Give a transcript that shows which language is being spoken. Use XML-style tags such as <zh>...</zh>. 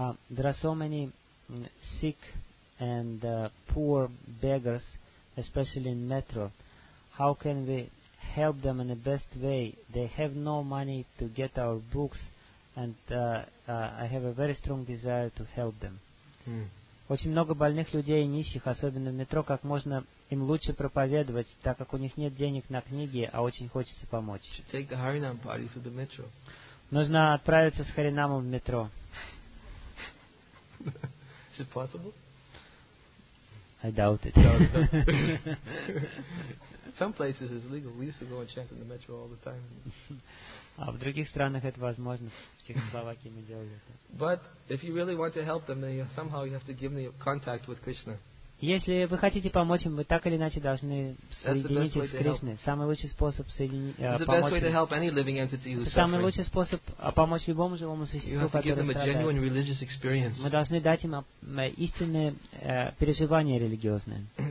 <en>There are so many sick and poor beggars, especially in metro. How can we help them in the best way? They have no money to get our books, and I have a very strong desire to help them.</en> <ru>Очень много больных людей и нищих, особенно в метро. Как можно им лучше проповедовать, так как у них нет денег на книги, а очень хочется помочь?</ru> <en>Take the Harinam party to the metro.</en> <ru>Нужно отправиться с Харинамом в метро.</ru> <en>Is it possible? I doubt it. Some places it's legal. We used to go and chant in the metro all the time.</en> <ru>А в других странах это возможно. В Чехословакии мы делали это. But if you really want to help them, then somehow you have to give them contact with Krishna. Если вы хотите помочь им, вы так или иначе должны соединиться с Кришной. Самый лучший способ помочь. Самый лучший способ помочь любому живому существу, которое страдает. Мы должны дать им истинное переживание религиозное.</ru>